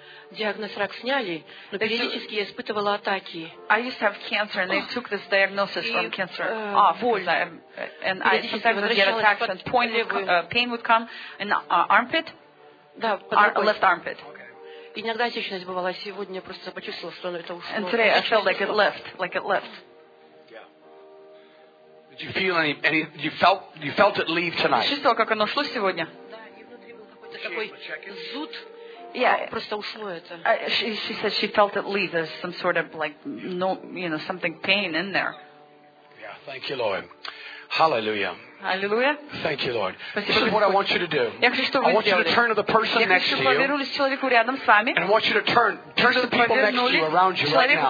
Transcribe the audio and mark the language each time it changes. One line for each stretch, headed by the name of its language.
Russian: Диагноз рак сняли, но периодически я испытывала атаки.
English: I used to have cancer and they took this diagnosis from cancer off. And I sometimes would get attacks and pain would come in armpit.
Russian: Да,
English: left armpit.
Russian: Иногда отечность бывала, сегодня просто почувствовала, что это ушло.
English: And today I felt like it left, like it left. Yeah. Did you feel any you felt it leave tonight?
Russian: Чувствовала, как оно ушло сегодня? Да, и внутри был такой зуд.
English: Yeah, she said she felt it leave. There's some sort of like, no, you know, something pain in there. Yeah, thank you, Lord. Hallelujah. Hallelujah. Thank you, Lord. This is what I want you to do. I want you to turn to the person next to you. And I want you to turn to the people next to you, around you right now.